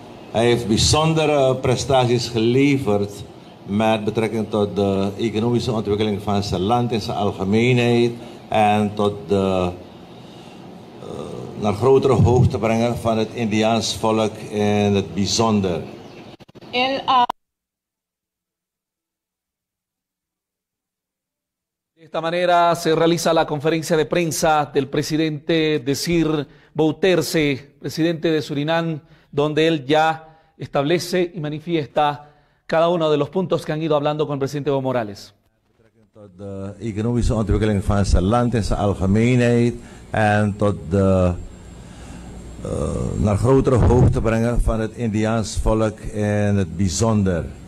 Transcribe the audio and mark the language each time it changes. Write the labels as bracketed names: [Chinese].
[Dutch] Hij heeft bijzondere prestaties geleverd met betrekking tot de economische ontwikkeling van zijn land in zijn algemeenheid en tot de naar grotere hoogte brengen van het Indiaans volk in het bijzonder. [Spanish] De esta manera se realiza la conferencia de prensa del presidente Desi Bouterse, presidente de Surinam, donde él ya establece y manifiesta cada uno de los puntos que han ido hablando con el presidente Evo Morales. [Dutch] De economische ontwikkeling van zijn land in zijn algemeenheid en tot de naar grotere hoogte brengen van het Indiaans volk in het bijzonder.